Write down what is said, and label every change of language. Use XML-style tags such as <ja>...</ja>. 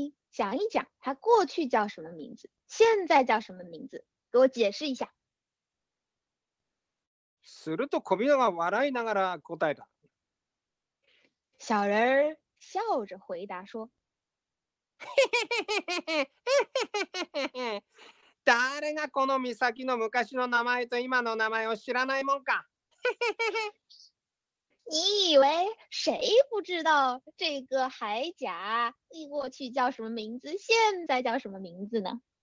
<zh>想一想，他过去叫什么名字？现在叫什么名字？给我解释一下。</zh> <ja>すると小人が笑いながら答えた。</ja> <zh>小人笑着回答说：“</zh> <ja>誰がこの岬の昔の名前と今の名前を知らないもんか？”</ja> <zh>你以为谁不知道这个海甲一过去叫什么名字，现在叫什么名字呢？</zh>